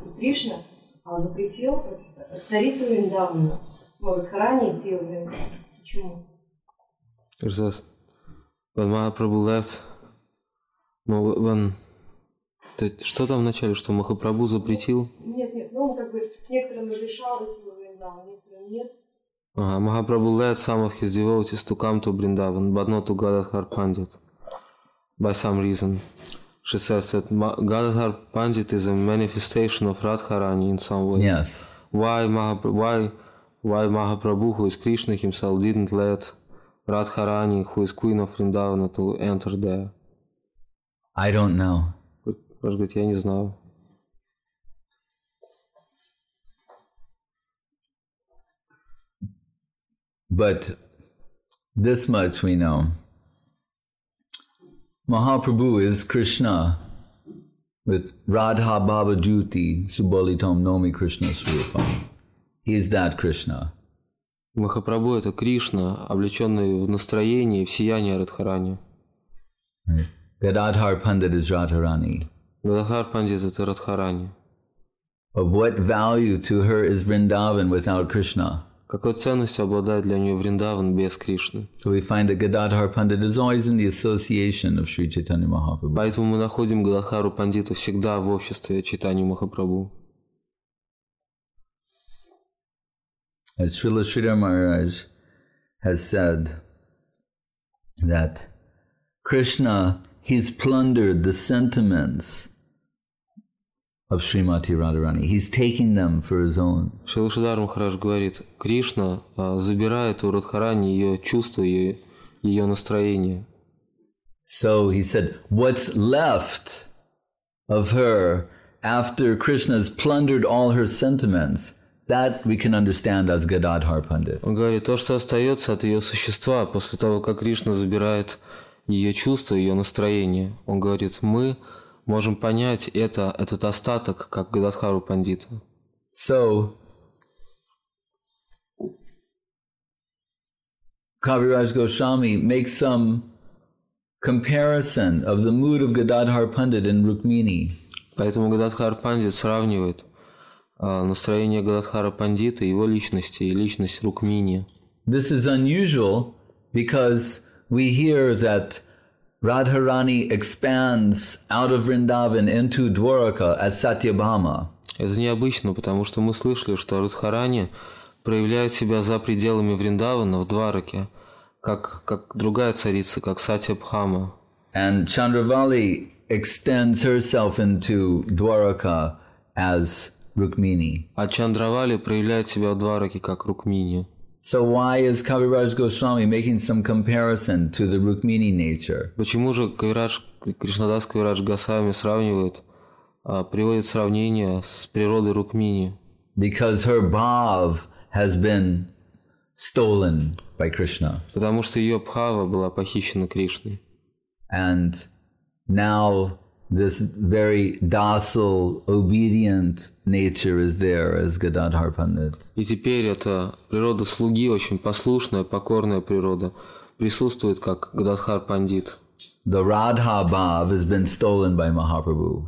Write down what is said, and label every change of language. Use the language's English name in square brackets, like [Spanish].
[Russian] И Кришна запретил царицу Вриндавана в Радхарани идти в Вриндаван. Почему? [English] When Mahaprabhu left, when, [Russian] что там вначале, что Махапрабху запретил? Нет, ну он как бы некоторым разрешал идти во Вриндаван, некоторым нет. [English] Ага, Махапрабху left some of his devotees to come to Vrindavan, but not to Gadadhar Pandit, by some reason. She says that Gadadhar Pandit is a manifestation of Radharani in some way. Yes. Why Mahaprabhu, who is Krishna himself, didn't let Radharani, who is queen of Vrindavana, to enter there. I don't know. [Russian] Может быть, я не знаю. [English] But this much we know. Mahaprabhu is Krishna with [Sanskrit] Radha Bhava Dyuti Subalitam Nomi Krishna Swarupam. [English] He is that Krishna. [Russian] Махапрабху это Кришна, облечённый в настроение, в сияние Радхарани. [English] Gadadhar Pandit is Radharani. [Russian] Gadadhar Pandit это Радхарани. [English] Of what value to her is Vrindavan without Krishna? [Russian] Какой ценностью обладает для нее Вриндаван без Кришны? [English] So we find that Gadadhar Pandit is always in the association of Sri Chaitanya Mahaprabhu. [Russian] Поэтому мы находим Гададхару Пандита всегда в обществе Чайтаньи Махапрабху. [English] As Srila Sridhar Maharaj has said that Krishna, he's plundered the sentiments of Srimati Radharani. He's taking them for his own. [Russian] Шрила Шридхар Махарадж говорит, Кришна забирает у Радхарани ее чувства, ее настроение. [English] So he said, what's left of her after Krishna has plundered all her sentiments, that we can understand as Gadadhar Pandit. [Russian] Он говорит, то, что остается от ее существа после того, как Кришна забирает ее чувства, ее настроение, он говорит, мы можем понять этот остаток, как Гададхару Пандита. [English] So, Kaviraj Goswami makes some comparison of the mood of Gadadhar Pandit in Rukmini. [Russian] Поэтому Гададхар Пандит сравнивает настроение Гададхара Пандита, его личности и личность Рукмини. [English] This is unusual because we hear that Radharani expands out of Vrindavan into Dwaraka as Satyabhama. [Russian] Это необычно, потому что мы слышали, что Радхарани проявляет себя за пределами Вриндавана в Двараке, как другая царица, как Сатьябхама. [English] And Chandravali extends herself into Dwaraka as Rukmini. [Russian] А Чандравали проявляет себя в Двараке как Рукмини. [English] So why is Kaviraj Goswami making some comparison to the Rukmini nature? [Russian] Почему же Кришнадас Кавирадж Госвами сравнивает, приводит сравнение с природой Рукмини? [English] Because her bhav has been stolen by Krishna. [Russian] Потому что ее бхава была похищена Кришной. [English] And now this very docile, obedient nature is there, as Gadadhar Pandit. [Russian] И теперь эта природа слуги, очень послушная, покорная природа, присутствует как Гададхар Пандит. [English] The Radha Bhava has been stolen by Mahaprabhu.